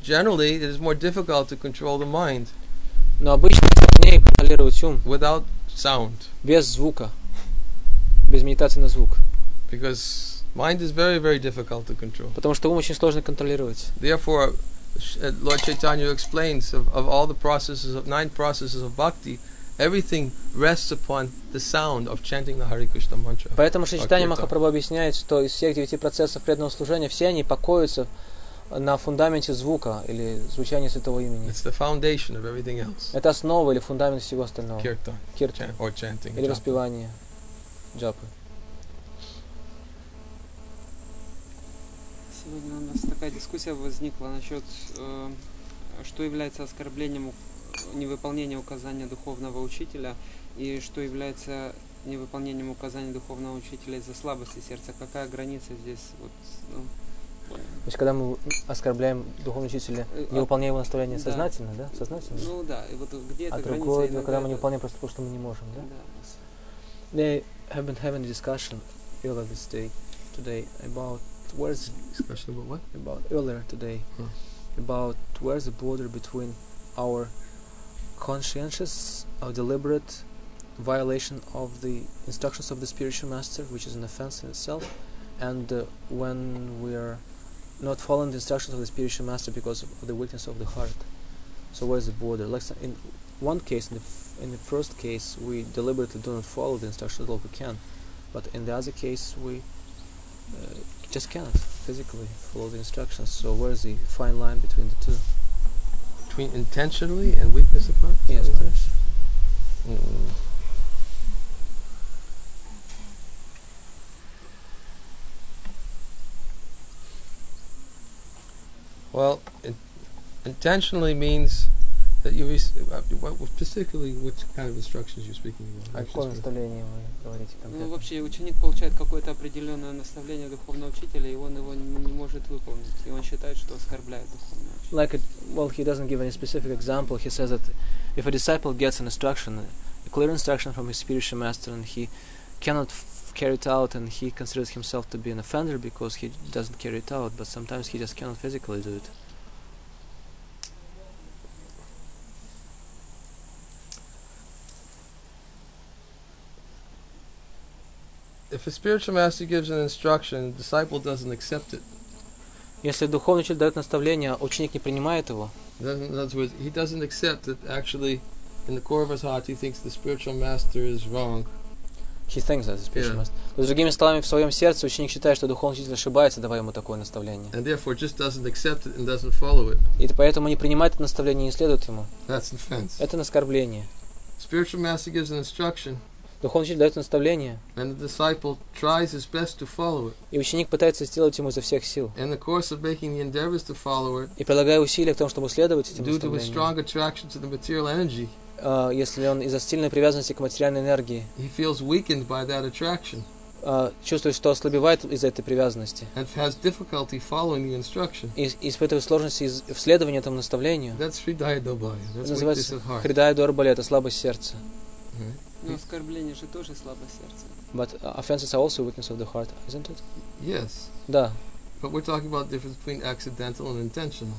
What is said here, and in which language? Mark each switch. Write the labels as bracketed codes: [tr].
[en] But generally, it is more difficult to control the mind. [ru] Но обычно сложнее контролировать ум. [en] Without sound. [ru] Без звука. Без медитации на звук. [en] Because mind is very, very difficult to control. [ru] Потому что ум очень сложно контролировать. [en] Therefore, Lord Chaitanya explains of all the processes of nine processes of bhakti, everything rests upon the sound of chanting the Hare Krishna mantra. [ru] Поэтому Шри Чайтанья Махапрабху объясняет, что из всех девяти процессов преданного служения все они покоятся на фундаменте звука или звучания святого имени. [en] It's the foundation of everything else. [ru] Это основа или фундамент всего остального. [en] Kirtan. [ru] Kirtan. [en] Or chanting. [ru] Или воспевание. Джапы. Сегодня у нас такая дискуссия возникла насчет, что является оскорблением невыполнения указания духовного учителя и что является невыполнением указания духовного учителя из-за слабости сердца. Какая граница здесь? Вот, ну, то есть, когда мы оскорбляем духовного учителя, не выполняя его наставления, да. Сознательно, да? Сознательно? Ну да, и вот где эта граница? А другое, иногда, когда мы не выполняем просто потому, что мы не можем, да? Да. [en] They have been having a discussion earlier this day, today, about where's discussion about what? About earlier today. Huh. About where's the border between our conscientious or deliberate violation of the instructions of the spiritual master, which is an offense in itself, and when we are not following the instructions of the spiritual master because of the weakness of the heart. So where's the border? Like in one case, in the first case, we deliberately do not follow the instructions all we can. But in the other case, we just cannot physically follow the instructions. So where is the fine line between the two? Between intentionally and weakness of heart? Yes, Maharaj. Mm-hmm. Well, intentionally means that you particularly which kind of instructions you're speaking about? [ru] О каком наставлении вы говорите конкретно? Ну вообще ученик получает какое-то определенное наставление духовного учителя, и он его не может выполнить, и он считает, что оскорбляет духовного учителя. [en] Like, he doesn't give any specific example. He says that if a disciple gets an instruction, a clear instruction from his spiritual master, and he cannot carry it out, and he considers himself to be an offender because he doesn't carry it out. But sometimes he just cannot physically do it. If a spiritual master gives an instruction, the disciple doesn't accept it. [ru] Если духовный учитель дает наставление, ученик не принимает его. [en] In other words, he doesn't accept it. Actually, in the core of his heart, he thinks the spiritual master is wrong. He thinks that the spiritual master. [ru] С другими словами, в своем сердце ученик считает, что духовный учитель ошибается, давая ему такое наставление. [en] And therefore, just doesn't accept it and doesn't follow it. [ru] И поэтому не принимает это наставление и не следует ему. [en] That's an offense. [ru] Это оскорбление. [en] Spiritual master gives an instruction. [ru] Духовный учитель дает наставление. [en] And the disciple tries his best to follow it. [ru] И ученик пытается сделать ему изо всех сил. [en] In the course of making the endeavors to follow it. [ru] И прилагая усилия к тому, чтобы следовать этим наставлениям. [en] Due to his strong attraction to the material energy. [ru] Если он из-за сильной привязанности к материальной энергии. [en] He feels weakened by that attraction. [ru] Чувствует, что ослабевает из-за этой привязанности. [en] And has difficulty following the instruction. [ru] И испытывает сложности в следовании этому наставлению. [en] That's Hridaya Durbalya. That's [ru] называется Hridaya Durbalya. Это слабость сердца. Но оскорбление же тоже слабость сердца. [en] But offenses are also weakness of the heart, isn't it? Yes. [ru] Да. [en] But we're talking about the difference between accidental and intentional.